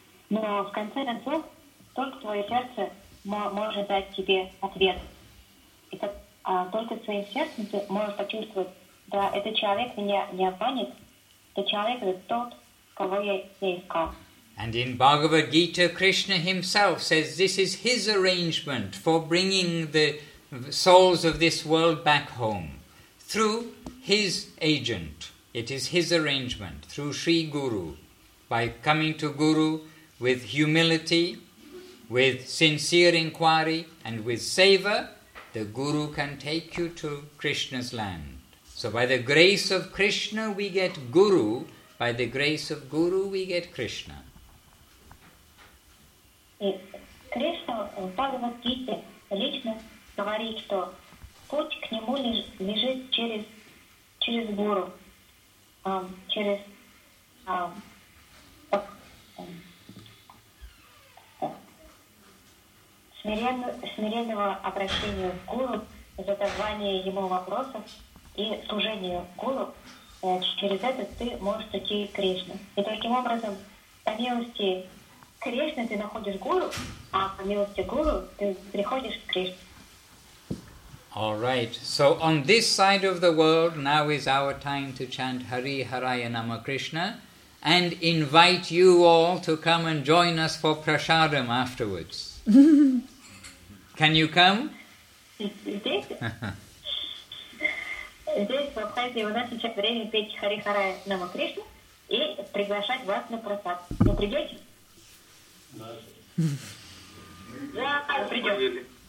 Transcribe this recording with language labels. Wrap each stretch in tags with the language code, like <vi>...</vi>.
<ru>Но в конце концов только твое сердце может дать тебе ответ. Это только своим сердцем ты можешь почувствовать, да, этот человек меня не обманет, этот человек — это тот, кого я искал.</ru> <en>And in Bhagavad Gita, Krishna himself says this is his arrangement for bringing the souls of this world back home through his agent. It is his arrangement through Sri Guru, by coming to Guru with humility, with sincere inquiry, and with seva, the Guru can take you to Krishna's land. So by the grace of Krishna, we get Guru. By the grace of Guru, we get Krishna.</en> <ru>И Кришна в Бхагавад-гите лично говорит, что путь к нему лежит через гуру, через смиренного обращения к гуру, задавание ему вопросов и служение гуру. Через это ты можешь идти к Кришне. И таким образом, по милости Кришна, ты находишь гуру, а по милости гуру ты приходишь к Кришне.</ru> <en>All right. So on this side of the world, now is our time to chant Hari Haraya Nama Krishna and invite you all to come and join us for prasadam afterwards. Can you come?</en> <ru>Здесь в Абхазии у нас сейчас время петь Хари Харая Нама Кришна и приглашать вас на просад. Вы придете? Да, придем.</ru>